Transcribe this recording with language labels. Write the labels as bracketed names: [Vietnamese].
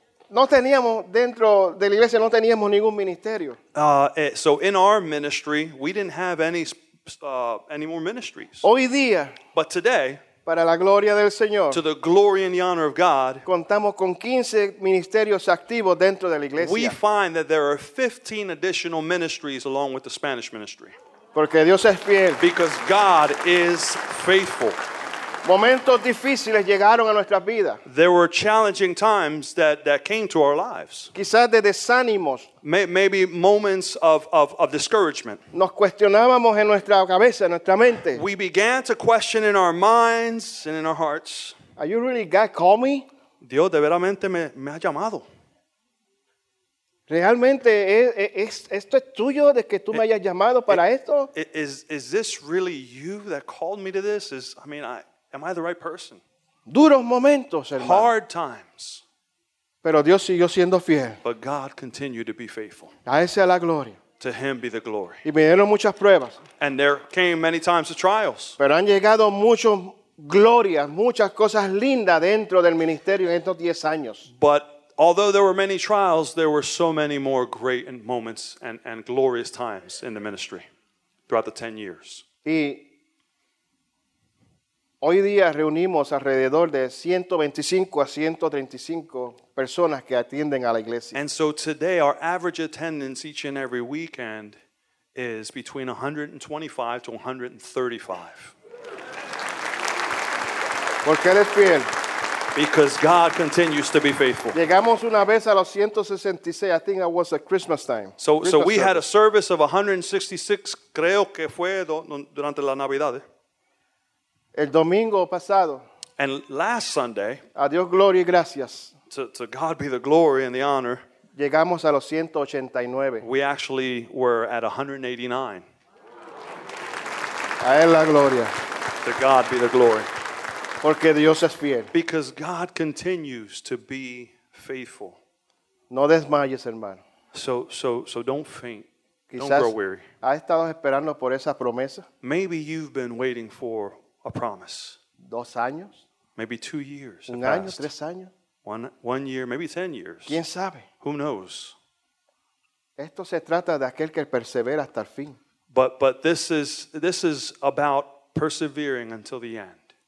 [Spanish] No teníamos dentro de la iglesia, no teníamos ningún ministerio. [English] So in our ministry, we didn't have any more ministries. [Spanish] Hoy día. [English] But today. [Spanish] Para la gloria del Señor. [English] To the glory and the honor of God. [Spanish] Contamos con 15 ministerios activos dentro de la iglesia. [English] We find that there are 15 additional ministries along with the Spanish ministry. [Spanish] Porque Dios es fiel. [English] Because God is faithful. [Spanish] Momentos difíciles llegaron a nuestras vidas. [English] There were challenging times that came to our lives. [Spanish] Quizás de desánimos. [English] Maybe moments of discouragement. [Spanish] Nos cuestionábamos en nuestra cabeza, en nuestra mente. [English] We began to question in our minds and in our hearts. Are you really God call me? [Spanish] Dios, ¿de veramente me ha llamado? ¿Realmente esto es tuyo de que tú me hayas llamado para esto? [English] Is this really you that called me to this? Am I the right person? [Spanish] Duros momentos, hermano. [English] Hard times. [Spanish] Pero Dios siguió siendo fiel. [English] But God continued to be faithful. [Spanish] A ese a la gloria. [English] To him be the glory. [Spanish] Y vinieron muchas pruebas. [English] And there came many times the trials. [Spanish] Pero han llegado muchas glorias, muchas cosas lindas dentro del ministerio en estos 10 años. [English] But although there were many trials, there were so many more great moments and glorious times in the ministry throughout the 10 years. [Spanish] Y hoy día reunimos alrededor de 125 a 135 personas que atienden a la iglesia. [English] And so today our average attendance each and every weekend is between 125 to 135. [Spanish] Porque él es fiel. [English] Because God continues to be faithful. [Spanish] Llegamos una vez a los 166, [English] I think that was at Christmas time. So we had a service of 166, [Spanish] creo que fue durante la Navidad. El domingo pasado. [English] And last Sunday. [Spanish] A Dios gloria y gracias. [English] To God be the glory and the honor. [Spanish] Llegamos a los 189. [English] We actually were at 189. [Spanish] A él la gloria. [English] To God be the glory. [Spanish] Porque Dios es fiel. [English] Because God continues to be faithful. [Spanish] No desmayes, hermano. [English] So don't faint. [Spanish] Quizás [English] don't grow weary. [Spanish] ¿Has estado esperando por esa promesa? [English] Maybe you've been waiting for a promise. [Spanish] 2 años. [English] Maybe 2 years. [Spanish] Un año, 3 años. [English] One year, maybe 10 years. [Spanish] ¿Quién sabe? [English] Who knows? [Spanish] Esto se trata de aquel que persevera hasta el fin. [English] But this is about persevering until the end.